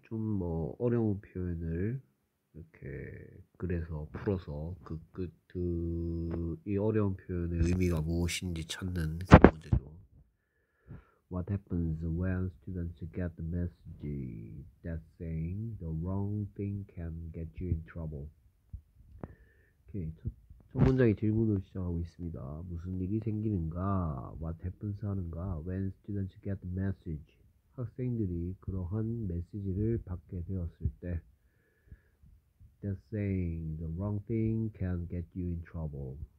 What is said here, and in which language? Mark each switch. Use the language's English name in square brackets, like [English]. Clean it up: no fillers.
[Korean] 좀뭐 어려운 표현을 이렇게 그래서 풀어서 그끝그이 어려운 표현의 의미가 무엇인지 찾는 그 문제죠. [English] What happens when students get the message that saying the wrong thing can get you in trouble? [Korean] 오케이. 첫 문장이 질문으로 시작하고 있습니다. [English] 무슨 일이 생기는가? What happens 하는가? When students get the message? [Korean] 학생들이 그러한 메시지를 받게 되었을 때. [English] That saying, the wrong thing can get you in trouble.